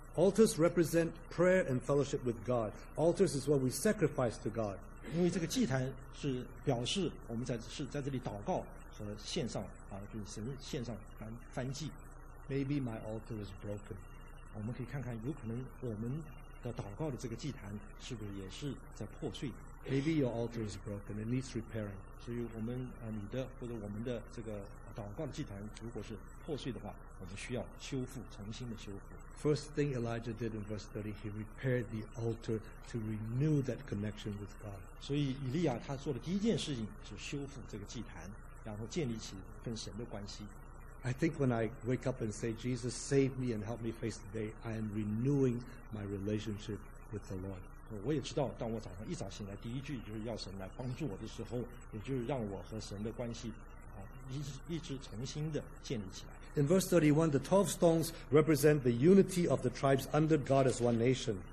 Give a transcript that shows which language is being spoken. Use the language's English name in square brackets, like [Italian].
[English] Altars represent prayer and fellowship with God. Altars is what we sacrifice to God. [Chinese] 因为这个祭坛是表示我们在这里祷告和献上就是神献上燔祭。 [English] Maybe my altar is broken。 [Chinese] 我们可以看看，有可能我们的祷告的这个祭坛是不是也是在破碎 [English] ？Maybe your altar is broken and needs repairing。 [Chinese] 所以我们你的或者我们的这个祷告的祭坛如果是破碎的话，我们需要修复，重新的修复。 [English] First thing Elijah did in verse 30, he repaired the altar to renew that connection with God. [Chinese] 所以以利亚他做的第一件事情是修复这个祭坛，然后建立起跟神的关系。 [English] I think when I wake up and say, "Jesus, save me and help me face the day," I am renewing my relationship with the Lord. [Chinese] 我也知道，当我早上一早醒来，第一句就是要神来帮助我的时候，也就是让我和神的关系 [English] In verse 31, the 12 stones represent the unity of the tribes under God as one nation.